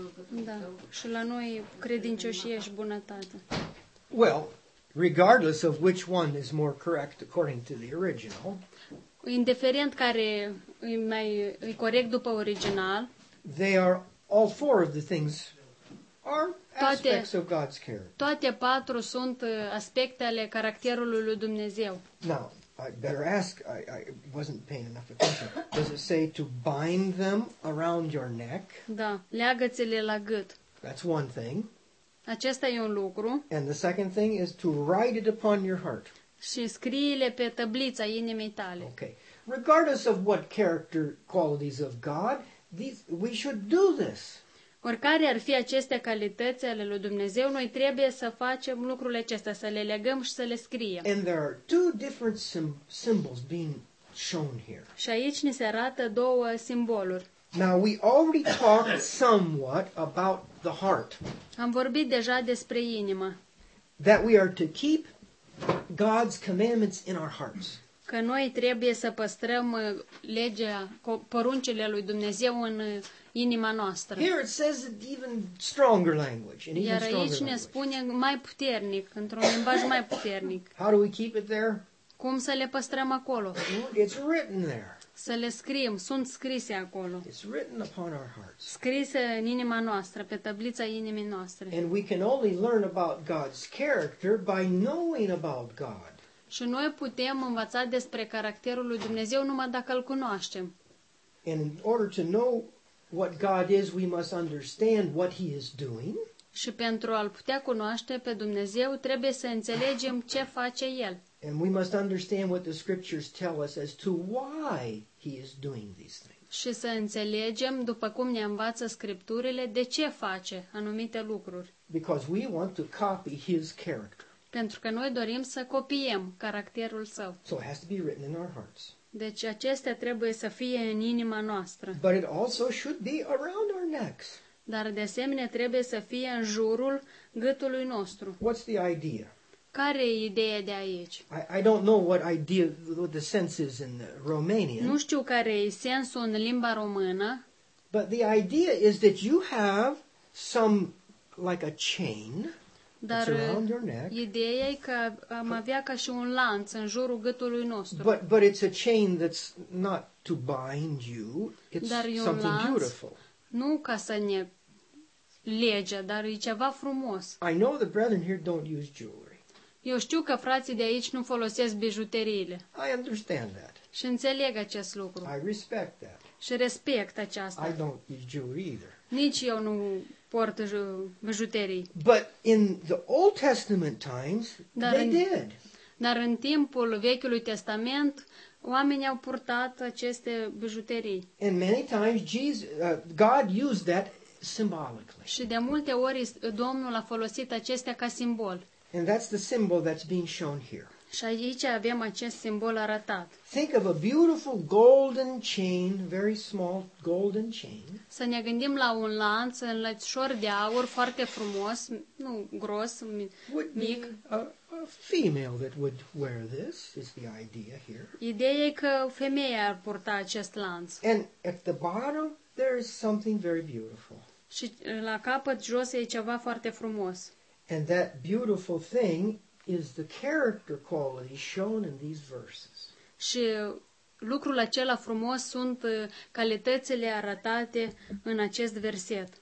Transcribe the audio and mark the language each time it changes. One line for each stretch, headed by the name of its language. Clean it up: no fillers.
Romanian: Da, și la noi credincioșie și bunătate.
English: Well, regardless of which one is more correct according to the original.
Romanian: Indiferent care e corect după original.
English: They are all four of the things are aspects of God's character.
Romanian: Toate patru sunt aspecte ale caracterului lui Dumnezeu.
English: Now, I better ask, I wasn't paying enough attention. Does it say to bind them around your neck?
Romanian: Da, leagă-ți-le la gât.
English: That's one thing.
Romanian: Acesta e un lucru.
English: And the second thing is to write it upon your heart.
Romanian: Și scrie-le pe tăblița inimii tale.
English: Okay. Regardless of what character qualities of God, we should do this.
Romanian: Oricare ar fi aceste calități ale lui Dumnezeu, noi trebuie să facem lucrurile acestea, să le legăm și să le scriem.
English: And there are two different symbols being shown here.
Romanian: Și aici ni se arată două simboluri.
English: Now we already talked somewhat about the heart.
Romanian: Am vorbit deja despre inimă.
English: That we are to keep God's commandments in our hearts.
Romanian: Că noi trebuie să păstrăm legea, poruncile lui Dumnezeu în inima noastră.
English: Here it says it even stronger language. And even
Romanian: iar aici
English: stronger language.
Romanian: Spune mai puternic, într-un limbaj mai puternic.
English: How do we keep it there?
Romanian: Cum să le păstrăm acolo?
English: It's written there.
Romanian: Să le scriem, sunt scrise acolo.
English: It's written upon our hearts.
Romanian: Scrise în inima noastră, pe tablița inimii noastre.
English: And we can only learn about God's character by knowing about God.
Romanian: Și noi putem învăța despre caracterul lui Dumnezeu numai dacă îl cunoaștem.
English: And in order to know what God is, we must understand what he is doing.
Romanian: Și pentru a-l putea cunoaște pe Dumnezeu, trebuie să înțelegem ce face el.
English: And we must understand what the scriptures tell us as to why he is doing these things.
Romanian: Și să înțelegem, după cum ne învață scripturile, de ce face anumite lucruri.
English: Because we want to copy his character.
Romanian: Pentru că noi dorim să copiem caracterul său.
English: So it has to be written in our hearts.
Romanian: Deci acestea trebuie să fie în inima noastră.
English: But it also should be around our necks.
Romanian: Dar de asemenea trebuie să fie în jurul gâtului nostru.
English: What's the idea?
Romanian: Care e ideea de aici?
English: I don't know what idea what the sense is in the Romanian.
Romanian: Nu știu care e sensul în limba română.
English: But the idea is that you have some like a chain.
Romanian: Dar ideea e că am avea ca și un lanț în jurul gâtului nostru.
English: But it's a chain that's not to bind you. It's
Romanian: dar e
English: something
Romanian: un lanț,
English: beautiful.
Romanian: Nu ca să ne lege, dar e ceva frumos.
English: I know the brethren here don't use jewelry.
Romanian: Eu știu că frații de aici nu folosesc bijuteriile.
English: I understand that.
Romanian: Și înțeleg acest lucru.
English: I respect that.
Romanian: Și respect aceasta.
English: I don't use jewelry either.
Romanian: Nici eu nu port bijuterii.
English: But in the Old Testament times, they did.
Romanian: Dar în timpul Vechiului Testament, oamenii au purtat aceste bijuterii.
English: And many times God used that symbolically.
Romanian: Și de multe ori Domnul a folosit acestea ca simbol.
English: And that's the symbol that's being shown here.
Romanian: Și aici avem acest simbol arătat.
English: Think of a beautiful golden chain, very small golden chain.
Romanian: Să ne gândim la un lanț înlățișor de aur foarte frumos, nu gros, mic.
English: A female that would wear this is the idea here.
Romanian: Ideea e că o femeie ar purta acest lanț.
English: And at the bottom there is something very beautiful.
Romanian: Și la capăt jos e ceva foarte frumos.
English: And that beautiful thing is the character quality shown in these verses.
Romanian: Și lucrul acela frumos sunt calitățile arătate în acest verset.